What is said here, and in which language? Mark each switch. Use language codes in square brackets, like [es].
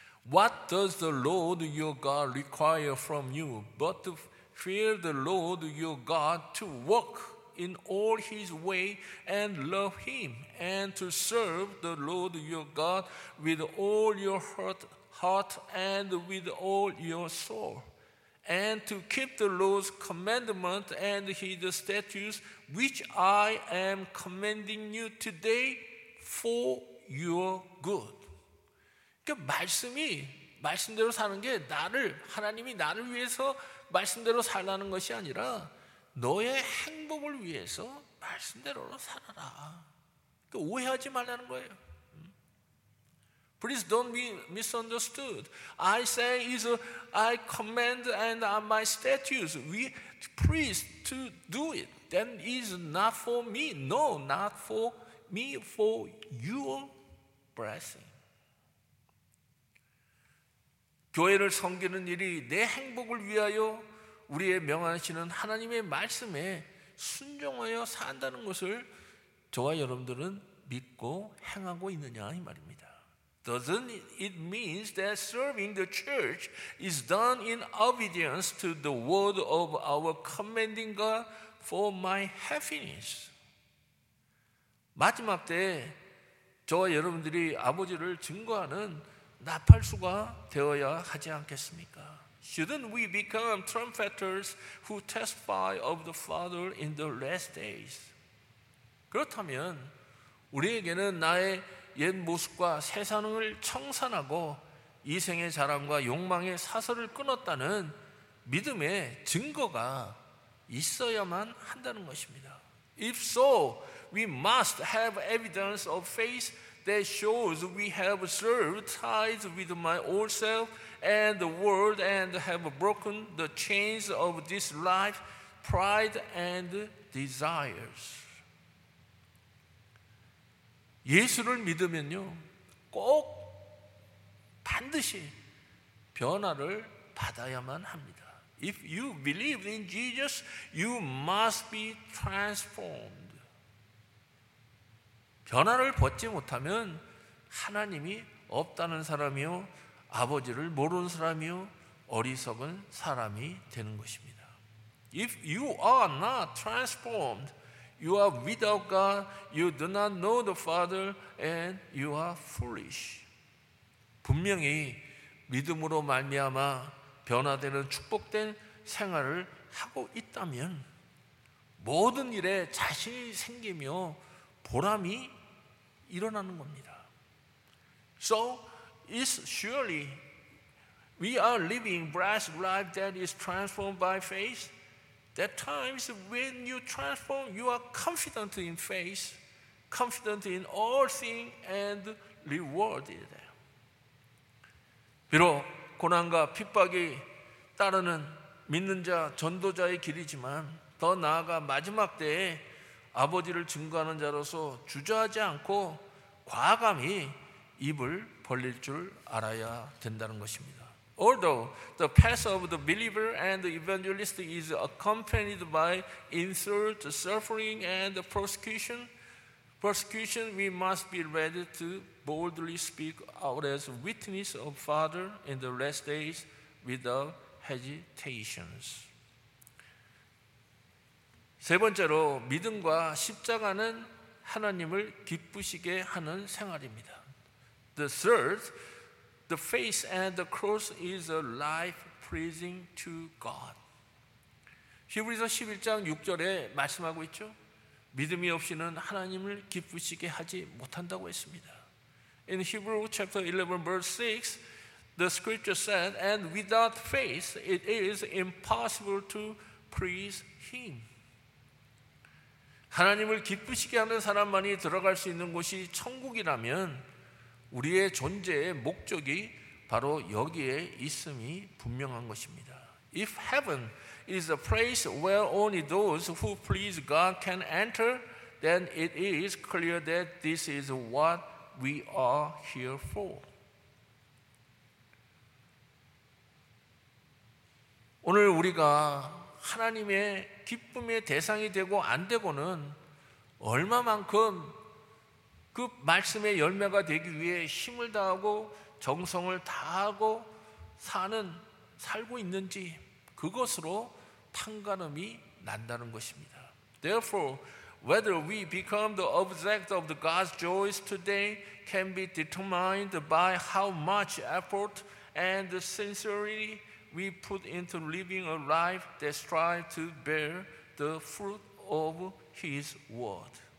[en] What does the Lord your God require from you but to fear the Lord your God, to walk in all his way and love him, and to serve the Lord your God with all your heart and with all your soul, and to keep the Lord's commandment and his statutes, which I am commanding you today for your good. [ko] 그 말씀이 말씀대로 사는 게 나를 하나님이 나를 위해서 말씀대로 살라는 것이 아니라 너의 행복을 위해서 말씀대로 살아라. 오해하지 말라는 거예요. [en] Please don't be misunderstood. I say is I command and my statutes. We please to do it. Then is not for me. No, not for me. For your blessing. [ko] 교회를 섬기는 일이 내 행복을 위하여 우리의 명하시는 하나님의 말씀에 순종하여 산다는 것을 저와 여러분들은 믿고 행하고 있느냐 이 말입니다. [en] Doesn't it mean that serving the church is done in obedience to the word of our commanding God for my happiness? [ko] 마지막 때 저와 여러분들이 아버지를 증거하는 나팔수가 되어야 하지 않겠습니까? [en] Shouldn't we become trumpeters who testify of the Father in the last days? [ko] 그렇다면 우리에게는 나의 옛 모습과 세상을 청산하고 이생의 자랑과 욕망의 사설을 끊었다는 믿음의 증거가 있어야만 한다는 것입니다. [en] If so, we must have evidence of faith that shows we have served ties with my old self and the world and have broken the chains of this life, pride and desires. [ko] 예수를 믿으면요, 꼭 반드시 변화를 받아야만 합니다. [en] If you believe in Jesus, you must be transformed. [ko] 변화를 벗지 못하면 하나님이 없다는 사람이요, 아버지를 모르는 사람이요, 어리석은 사람이 되는 것입니다. [en] If you are not transformed, you are without God, you do not know the Father, and you are foolish. [ko] 분명히 믿음으로 말미암아 변화되는 축복된 생활을 하고 있다면 모든 일에 자신이 생기며 보람이 일어나는 겁니다. [en] So it's surely we are living blessed life that is transformed by faith. That times when you transform, you are confident in faith, confident in all things and rewarded. [ko] 비록 고난과 핍박이 따르는 믿는 자 전도자의 길이지만 더 나아가 마지막 때에 아버지를 증거하는 자로서 주저하지 않고 과감히 입을 벌릴 줄 알아야 된다는 것입니다. [en] Although the path of the believer and the evangelist is accompanied by insult, suffering, and persecution, Persecution, we must be ready to boldly speak out as witness of Father in the last days without hesitations. [ko] 세 번째로 믿음과 십자가는 하나님을 기쁘시게 하는 생활입니다. [en] The third, the faith and the cross is a life pleasing to God. [ko] 히브리서 11장 6절에 말씀하고 있죠. 믿음이 없이는 하나님을 기쁘시게 하지 못한다고 했습니다. [en] In Hebrews chapter 11 verse 6, the scripture said, and without faith it is impossible to please him. [ko] 하나님을 기쁘시게 하는 사람만이 들어갈 수 있는 곳이 천국이라면 우리의 존재의 목적이 바로 여기에 있음이 분명한 것입니다. [en] If heaven is a place where only those who please God can enter, then it is clear that this is what we are here for. [ko] 오늘 우리가 하나님의 기쁨의 대상이 되고 안 되고는 얼마만큼 그 말씀의 열매가 되기 위해 힘을 다하고 정성을 다하고 사는 살고 있는지 그것으로 판가름이 난다는 것입니다. [en] Therefore, whether we become the object of God's joys today can be determined by how much effort and sincerity we put into living a life that strives to bear the fruit of His word.